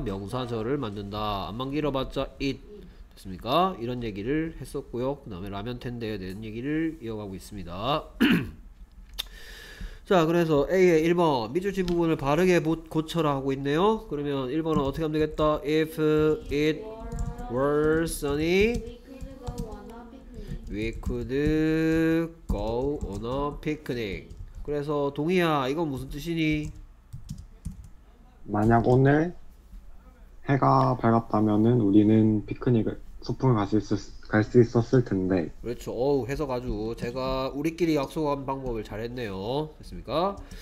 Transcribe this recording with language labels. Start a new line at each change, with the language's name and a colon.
Korean: 명사절을 만든다. 암만 길어봤자 it 됐습니까? 이런 얘기를 했었고요. 그 다음에 라면 텐데에 대한 얘기를 이어가고 있습니다. 자, 그래서 A의 1번 밑줄치 부분을 바르게 고쳐라 하고 있네요. 그러면 1번은 어떻게 하면 되겠다?
English: If it were sunny, we could go on a picnic.
Korean: 그래서 동희야, 이건 무슨 뜻이니? 만약 오늘 해가 밝았다면은 우리는 피크닉을, 소풍을 갈 수 있었을 텐데. 그렇죠. 어우, 해석 아주, 제가 우리끼리 약속한 방법을 잘했네요. 됐습니까?